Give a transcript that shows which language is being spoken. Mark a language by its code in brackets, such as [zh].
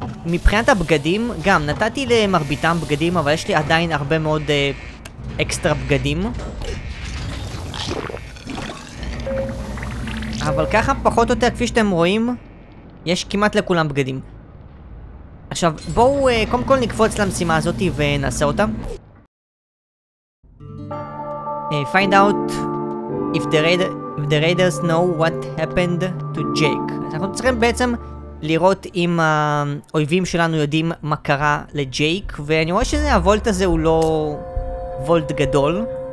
[he] מבחינת הבגדים, גם נתתי למרביתם בגדים, אבל יש לי עדיין הרבה מאוד אקסטרה בגדים. אבל ככה פחות או יותר, כפי שאתם רואים, יש כמעט לכולם בגדים. עכשיו, בואו קודם כל נקפוץ למשימה הזאת ונעשה אותה. [en] Find out if the, if the raiders know what happened to Jake. [he] אז אנחנו צריכים בעצם לראות אם האויבים שלנו יודעים מה קרה לג'ייק, ואני רואה שזה הוולט הזה הוא לא וולט גדול.